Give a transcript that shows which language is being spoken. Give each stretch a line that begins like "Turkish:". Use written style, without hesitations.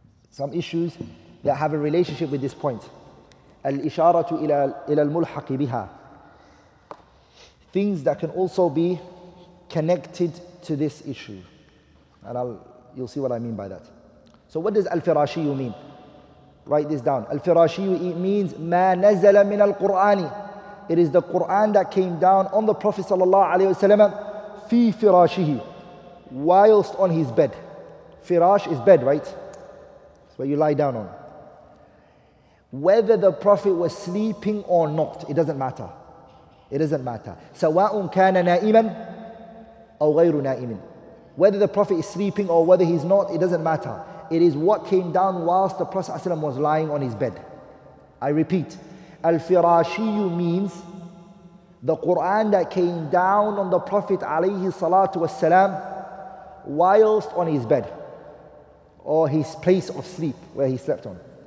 English: Some issues that have a relationship with this point.
Arabic: الإشارة إلى الملحق بها.
English: Things that can also be connected to this issue. And you'll see what I mean by that. So what does الفراشي mean? Write this down.
Arabic: الفراشي,
English: it means
Arabic: ما نزل من القرآن.
English: It is the Quran that came down on the Prophet sallallahu alayhi wasallam
Arabic: في فراشه,
English: whilst on his bed. Firash is bed, right? It's where you lie down on. Whether the Prophet was sleeping or not, it doesn't matter. It doesn't matter.
Arabic: سواء كان نائما أو غير نائما.
English: Whether the Prophet is sleeping or whether he's not, it doesn't matter. It is what came down whilst the Prophet ﷺ was lying on his bed. I repeat, al-firashiyu means the Quran that came down on the Prophet alayhi salatu wasalam whilst on his bed or his place of sleep where he slept on.